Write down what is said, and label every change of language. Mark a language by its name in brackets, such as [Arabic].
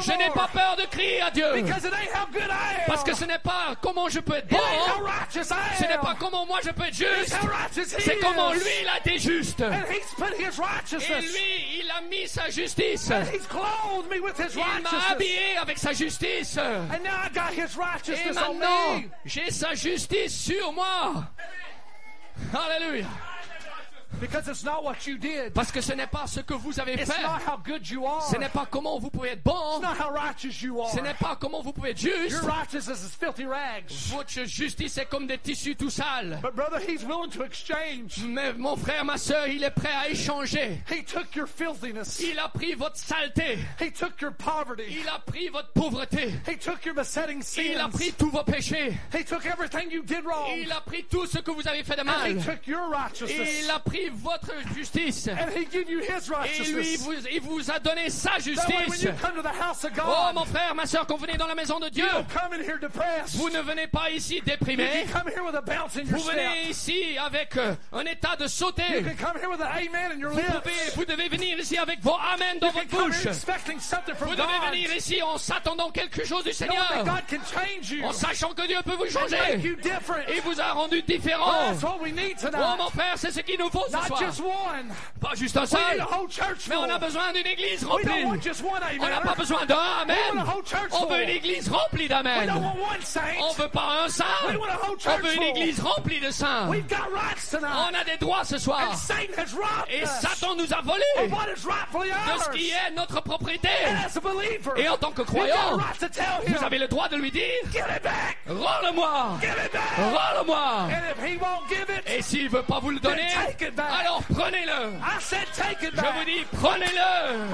[French] je n'ai pas peur de crier à Dieu. [English] Because it ain't how good I am. [French] Parce que ce n'est pas comment je peux être bon. [English] It ain't how righteous I am. [French] Ce n'est pas comment moi je peux être juste. [English] It's how righteous he [French] C'est [English] is. [French] Comment lui il a été juste. [English] And he's put his righteousness. [French] Et lui, il a mis sa justice. [English] And he's clothed me with his righteousness. [French] Il m'a habillé avec sa justice. [English] And now I got his righteousness [French] Et maintenant, [English] on me. [French] J'ai sa justice sur moi. Hallelujah. [English] Because it's not what you did. [French] Parce que ce n'est pas ce que vous avez [English] it's [French] fait. [English] Not how good you are. [French] Ce n'est pas comment vous pouvez être bon. [English] It's not how righteous you are. [French] Ce n'est pas comment vous pouvez être juste. [English] Your righteousness is filthy rags. [French] Votre justice est comme des tissus tout sales. [English] But brother, he's willing to exchange. [French] Mais mon frère, ma sœur, il est prêt à échanger. [English] He took your filthiness. [French] Il a pris votre saleté. [English] He took your poverty. [French] Il a pris votre pauvreté. [English] He took your besetting sins. [French] Il a pris tous vos péchés. [English] He took everything you did wrong. [French] Il a pris tout ce que vous avez fait de mal. [English] And he took your righteousness. [French] Il a pris votre justice. [English] And he gave you his righteousness. [French] Et lui, il vous a donné sa justice. [English] That way, when you come to the house of God, [French] oh mon frère, ma soeur, quand vous venez dans la maison de Dieu, [English] you don't come in here depressed. [French] Vous ne venez pas ici déprimé. [English] You can come here with a bounce in your step. [French] Vous venez ici avec un état de sauter. [English] You can come here with an amen in your lips. [French] Vous devez venir ici avec vos amen dans [English] you [French] votre bouche. [English] Come here expecting something from [French] vous devez [English] God. [French] Venir ici en s'attendant quelque chose du Seigneur. [English] No, God can change you. [French] En sachant que Dieu peut vous changer. [English] And make you different. [French] Il vous a rendu différent. [English] Well, that's what we need tonight. [French] Oh mon frère, c'est ce qu'il nous faut. [English] Not just one. [French] Pas juste un seul. [English] We need a whole church [French] mais on a besoin d'une église remplie. [English] We don't want just one amen. [French] On n'a pas besoin d'un amen. [English] We want a whole church. [French] On veut une église remplie d'amen. [English] We don't want one saint. [French] On veut pas un saint. [English] We want a whole church. [French] On veut une église remplie de saints. [English] We've got rights tonight. [French] On a des droits ce soir. [English] And Satan has robbed [French] et Satan nous a volé [English] what is rightfully ours. [French] De ce qui est notre propriété. [English] And as a believer, [French] et en tant que croyant, [English] got right to tell him, [French] vous avez le droit de lui dire [English] give it back. [French] Rends-le-moi. [English] Give it back. [French] Rends-le-moi. [English] And if he won't give it, [French] et s'il veut pas vous le donner, alors prenez-le. [English] I said, take it back. [French] Je vous dis prenez-le.